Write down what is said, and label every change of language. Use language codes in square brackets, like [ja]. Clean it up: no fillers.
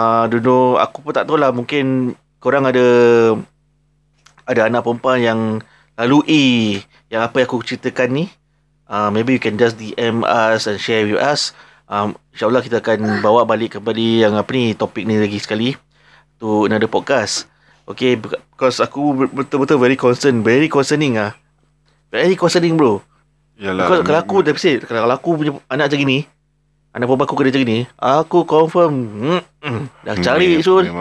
[ms] Dulu, aku pun tak tahulah. Mungkin korang ada anak perempuan yang lalui yang apa yang aku ceritakan ni. [en] Maybe you can just DM us and share with us. [ms] InsyaAllah kita akan bawa balik kembali yang apa ni, topik ni lagi sekali. [en] To another podcast. Okay, because [ms] aku betul-betul [en] very concerning bro. [ms] Yalah. Because kalau aku dah pesan, kalau aku punya anak macam ni, anak perempuan aku kena macam ni, aku confirm dah cari soon.